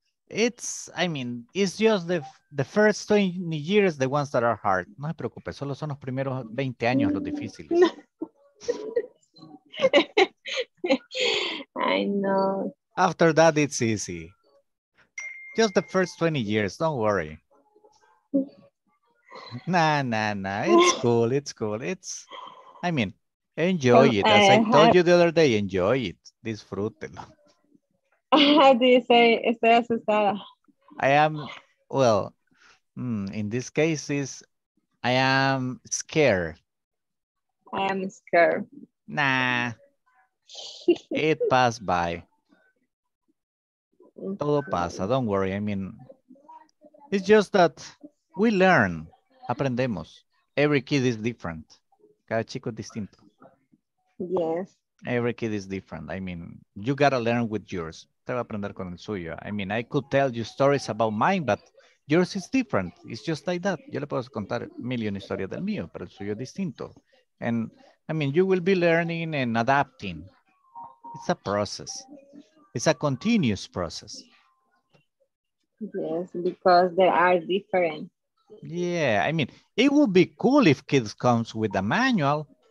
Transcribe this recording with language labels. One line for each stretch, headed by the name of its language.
English: It's just the first 20 years, the ones that are hard.
Spanish: No se preocupe, solo son los primeros 20 años los difíciles.
English: I know. After that, it's easy. Just the first 20 years, don't worry. Nah, it's cool. Enjoy it. As I told you the other day, enjoy it.
Spanish: Disfrútelo.
English: How do you say,
Spanish: estoy asustada?
English: I am, well, in this case is, I am scared. I am scared. Nah, it passed by.
Spanish: Todo pasa.
English: Don't worry. I mean, it's just that we learn.
Spanish: Aprendemos.
English: Every kid is different.
Spanish: Cada chico es distinto.
English: Yes. Every kid is different. I mean, you gotta learn with yours.
Spanish: Te va a aprender con el suyo.
English: I mean, I could tell you stories about mine, but yours is different. It's just like that.
Spanish: Yo le puedo contar
English: million
Spanish: historias del mío, pero el suyo es distinto.
English: And I mean, you will be learning and adapting. It's a process. It's a continuous process. Yes, because they are different. Yeah, I mean, it would be cool if kids comes with a manual.